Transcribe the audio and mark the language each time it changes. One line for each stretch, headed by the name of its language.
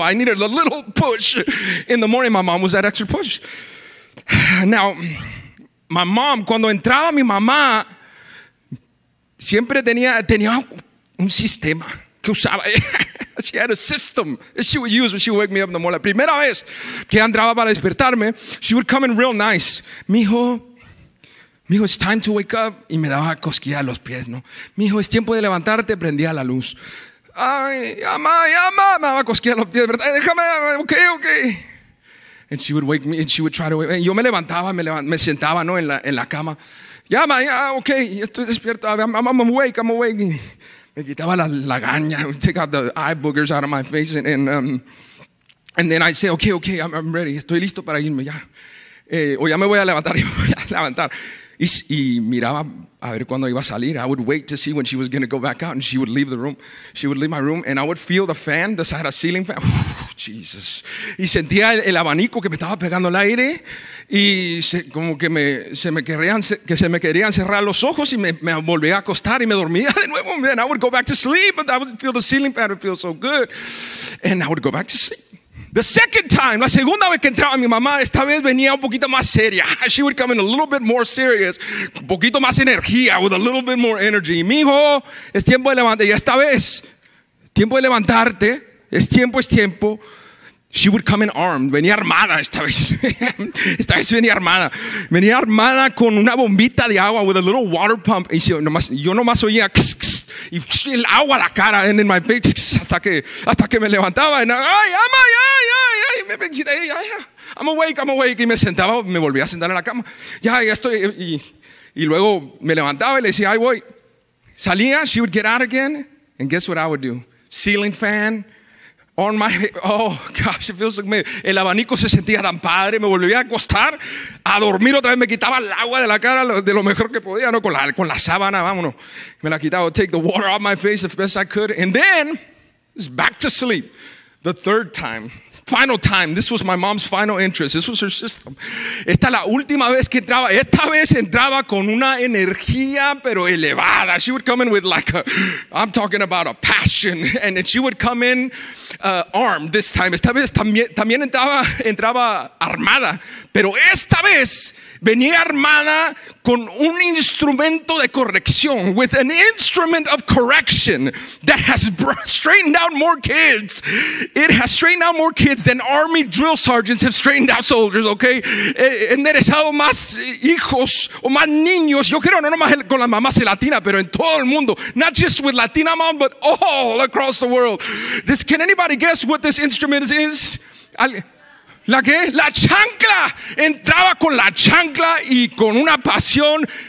English: I needed a little push in the morning. My mom was that extra push. Now, my mom,
Spanish: cuando entraba mi mamá, siempre tenía un sistema que usaba.
English: She had a system that she would use when she would wake me up in the morning.
Spanish: La primera vez que andaba para despertarme,
English: she would come in real nice. Mijo, it's time to wake up.
Spanish: Y me daba cosquillas a los pies, ¿no? Mijo, es tiempo de levantarte. Prendía la luz. Ay, llama. Me daba cosquillas a los pies, ¿verdad? Déjame, okay.
English: And she would wake me, and she would try to wake me.
Spanish: Yo me levantaba, me sentaba, ¿no? En la cama. Llama, okay, estoy despierto.
English: I'm awake.
Spanish: Me quitaba la lagaña,
English: take out the eye boogers out of my face, and then I'd say, okay, I'm ready,
Spanish: estoy listo para irme ya. O ya me voy a levantar, ya me voy a levantar. Y miraba a ver cuándo iba a salir.
English: I would wait to see when she was going to go back out, and she would leave the room. She would leave my room, and I would feel the fan, the side of the ceiling fan. Jesus.
Spanish: Y sentía el abanico que me estaba pegando el aire, y como que se me querían cerrar los ojos, y me volví a acostar, y me dormía de nuevo.
English: Man, I would go back to sleep, but I would feel the ceiling fan, it feels so good. And I would go back to sleep. The second time,
Spanish: la segunda vez que entraba mi mamá, esta vez venía un poquito más seria.
English: She would come in a little bit more serious,
Spanish: un poquito más energía,
English: with a little bit more energy.
Spanish: Mijo, es tiempo de levantarte. Y esta vez, tiempo de levantarte. Es tiempo.
English: She would come in armed.
Spanish: Venía armada esta vez. Esta vez venía armada. Venía armada con una bombita de agua,
English: with a little water pump.
Spanish: Y yo nomás oía, kss, kss, y el agua a la cara,
English: and in my face,
Spanish: hasta que me levantaba,
English: and I'm awake,
Spanish: y me sentaba, me volví a sentar en la cama, ya estoy, y luego me levantaba y le decía, ahí voy. Salía,
English: she would get out again, and guess what I would do? Ceiling fan on my, oh gosh, it feels like me,
Spanish: el abanico se sentía tan padre, me volvía a acostar, a dormir otra vez, me quitaba el agua de la cara de lo mejor que podía, ¿no? Con la sábana, vámonos, me la quitaba,
English: take the water off my face as best I could, and then it's back to sleep, the third time. Final time. This was my mom's final entrance. This was her system.
Spanish: Esta la última vez que entraba. Esta vez entraba con una energía, pero elevada.
English: She would come in with like a, I'm talking about a passion. And she would come in armed this time.
Spanish: Esta vez también entraba armada. Pero esta vez venía armada con un instrumento de corrección.
English: With an instrument of correction that has straightened out more kids. It has straightened out more kids than army drill sergeants have straightened out soldiers, okay?
Spanish: Enderezado más hijos o más niños. Yo creo no más con las mamás latinas, pero en todo el mundo.
English: Not just with Latina mom, but all across the world. This, can anybody guess what this instrument is?
Spanish: ¿La qué? La chancla. Entraba con la chancla y con una pasión.